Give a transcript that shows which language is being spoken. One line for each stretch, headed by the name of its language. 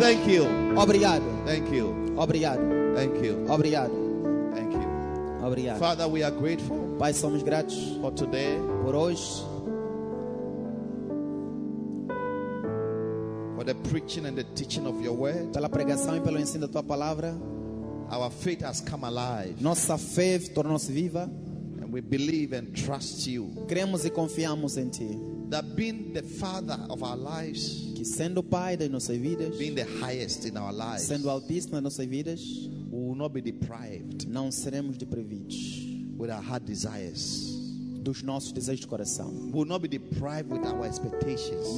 English: Thank you.
Portuguese: Obrigado.
English: Thank you.
Portuguese: Obrigado.
English: Thank you.
Portuguese: Obrigado.
English: Thank you.
Portuguese: Obrigado.
English: Father, we are grateful.
Portuguese: Pai, somos gratos.
English: For today.
Portuguese: Por hoje.
English: For the preaching and the teaching of your word.
Portuguese: Pela pregação e pelo ensino da tua palavra.
English: Our faith has come alive.
Portuguese: Nossa fé tornou-se viva.
English: And we believe and trust you.
Portuguese: Cremos e confiamos em ti.
English: That being the Father of our lives,
Portuguese: que sendo Pai de nossas vidas,
English: being the highest in our lives,
Portuguese: sendo Altíssimo em nossas vidas,
English: we will not be deprived,
Portuguese: não seremos deprimidos,
English: with our heart desires,
Portuguese: dos nossos desejos de coração,
English: we will not be deprived with our expectations,